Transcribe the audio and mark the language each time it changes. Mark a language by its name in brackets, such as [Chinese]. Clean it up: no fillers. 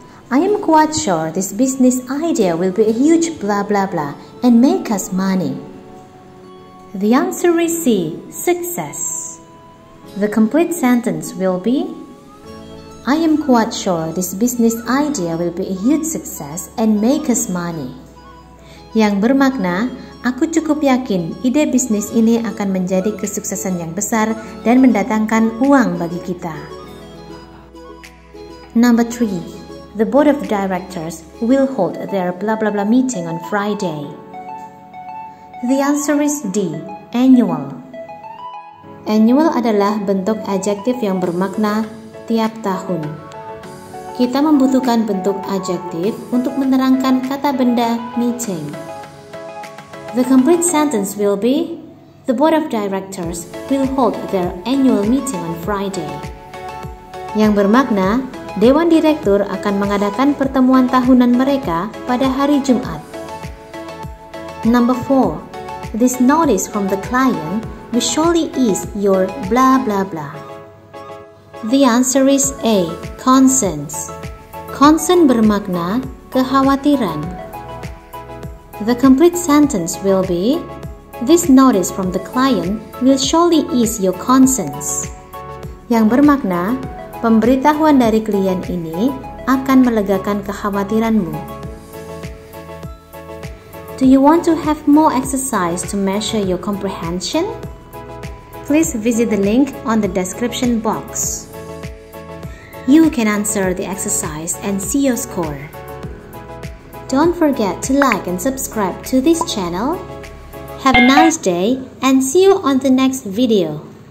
[English] I am quite sure this business idea will be a huge blah blah blah and make us money. The answer is C, success. The complete sentence will be I am quite sure this business idea will be a huge success and make us money. [Indonesian] Yang bermakna, aku cukup yakin ide bisnis ini akan menjadi kesuksesan yang besar dan mendatangkan uang bagi kita. [English] Number 3. The board of directors will hold their blah blah blah meeting on Friday. [Indonesian] The answer is D, annual. Annual adalah bentuk adjektif yang bermakna tiap tahun. Kita membutuhkan bentuk adjektif untuk menerangkan kata benda meeting. [English] The complete sentence will be the board of directors will hold their annual meeting on Friday. [Indonesian] Yang bermakna dewan direktur akan mengadakan pertemuan tahunan mereka pada hari Jumat. Number 4. [English] This notice from the client will surely ease your blah blah blah. The answer is A, concerns. Concern bermakna kekhawatiran. The complete sentence will be this notice from the client will surely ease your concerns. [Indonesian] Yang bermakna pemberitahuan dari klien ini akan melegakan kekhawatiranmu. [English] Do you want to have more exercise to measure your comprehension? Please visit the link on the description box. You can answer the exercise and see your score. Don't forget to like and subscribe to this channel. Have a nice day and see you on the next video.